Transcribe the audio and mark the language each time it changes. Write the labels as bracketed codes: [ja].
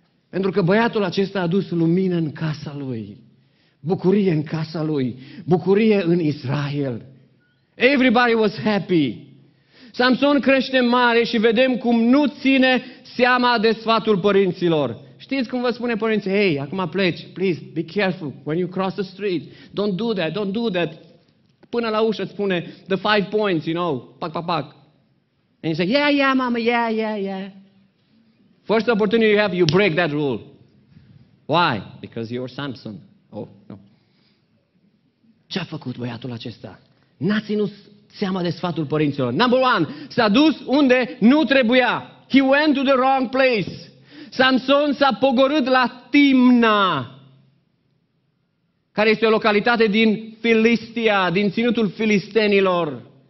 [ro] Pentru că băiatul acesta a adus lumină în casa lui. Bucurie în casa lui. Bucurie în Israel. [en] Everybody was happy. [ro] Samson crește mare și vedem cum nu ține seama de sfatul părinților. Știți cum vă spune părinții? Hei, acum pleci. [en] Please, be careful when you cross the street. Don't do that, don't do that. [ro] Până la ușă îți spune [en] the five points, you know. Pac, pac, pac. And you say, yeah, yeah, mama, yeah, yeah, yeah. First opportunity you have, you break that rule. Why? Because you're Samson. Oh, no. [ro] Ce-a făcut băiatul acesta? N-a ținut seama de sfatul părinților. [en] Number one, [ro] s-a dus unde nu trebuia. [en] He went to the wrong place. [ro] Samson s-a pogorât la Timna, care este o localitate din Filistia, din ținutul filistenilor.